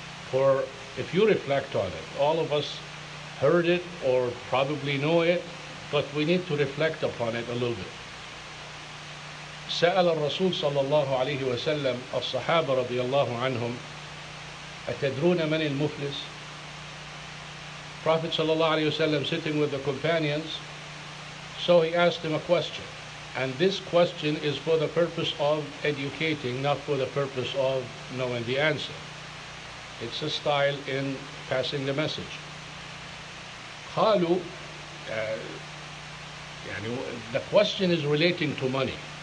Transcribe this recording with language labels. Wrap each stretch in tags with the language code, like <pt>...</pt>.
<en>For if you reflect on it, all of us heard it or probably know it, but we need to reflect upon it a little bit.</en> <ar>سأل الرسول صلى الله عليه وسلم الصحابة رضي الله عنهم أتدرون من المفلس؟</ar> <en>Prophet صلى الله عليه وسلم sitting with the companions, so he asked him a question. And this question is for the purpose of educating, not for the purpose of knowing the answer. It's a style in passing the message. قالوا the question is relating to money.</en>